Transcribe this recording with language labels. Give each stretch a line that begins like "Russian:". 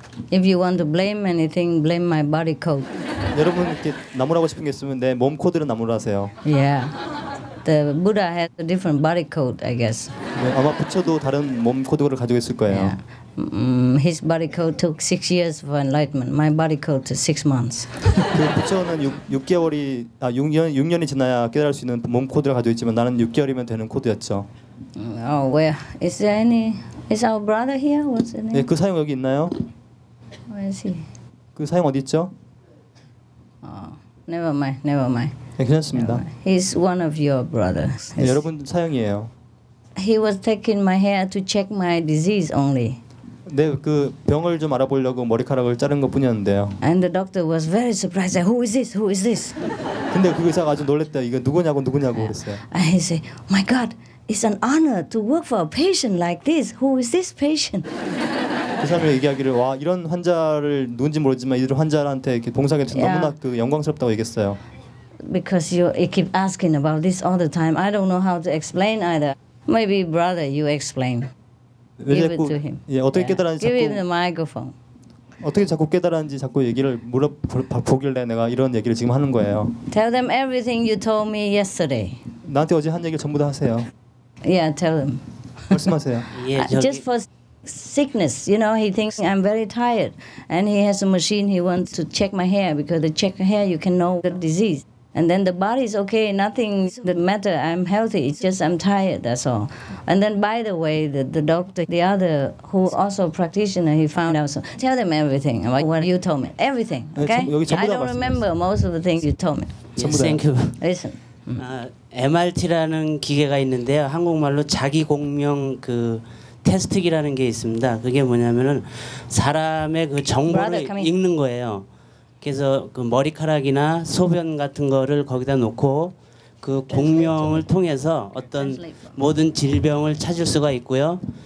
English: If you want to blame anything, blame my body code.
Korean: 여러분 이렇게 나무라고 싶은 게 있으면 내 몸 코드를 나무라 하세요.
English: Yeah. The Buddha has a different body code, I guess.
Korean: 네, 아마 부처도 다른 몸 코드를 가지고 있을 거예요.
English: Yeah. His body code took 6 years for enlightenment. My body code took 6 months.
Korean: 그 부처는 6년이 지나야 깨달을 수 있는 몸 코드를 가지고 있지만 나는 6개월이면 되는 코드였죠.
English: Oh, where? Is there any? Is our brother here? What's his name?
Korean: 네, 그 사형 여기 있나요?
English: Where is he?
Korean: 그 사형 어디 있죠?
English: Never mind.
Korean: 네, 괜찮습니다.
English: He's one of your brothers.
Korean: 네, 여러분 사형이에요.
English: He was taking my hair to check my disease only.
Korean: 네, 그 병을 좀 알아보려고 머리카락을 자른 것뿐이었는데요.
English: And the doctor was very surprised. Who is this? Who is this?
Korean: 근데 그 의사가 아주 놀랬다. 이거 누구냐고 그랬어요.
English: And he said, "My God, it's an honor to work for a patient like this. Who is this patient?"
Korean: 그 사람이 얘기하기를 와 이런 환자를 누군지 모르지만 이런 환자한테 봉사하게 돼서 너무나 그 영광스럽다고 얘기했어요.
English: Because you keep asking about this all the time, I don't know how to explain either. Maybe brother, you explain. Give it to him.
Korean: 예, 어떻게 깨달았는지
English: Give him the microphone.
Korean: 어떻게 자꾸 깨달았는지 자꾸 얘기를 물어보길래 내가 이런 얘기를 지금 하는 거예요.
English: Tell them everything you told me yesterday.
Korean: 나한테 어제 한 얘기를 전부 다 하세요.
English: Yeah, tell them.
Korean: 말씀하세요.
English: Just for sickness, you know, he thinks I'm very tired. And he has a machine he wants to check my hair because they check hair you can know the disease. And then the body is okay, nothing that matter, I'm healthy, it's just I'm tired, that's all. And then by the way, the doctor, the other, who also practitioner, he found out, so tell them everything about what you told me, everything, okay?
Korean: 네, 여기 전부 다
English: I don't remember most of the things you told me. Yes, thank you. Listen.
Korean: MRT라는 기계가 있는데요, 한국말로 자기공명 그 테스트기라는 게 있습니다. 그게 뭐냐면은 사람의 그 정보를 읽는 거예요. 그래서 그 머리카락이나 소변 같은 거를 거기다 놓고 그 공명을 통해서 어떤 모든 질병을 찾을 수가 있고요.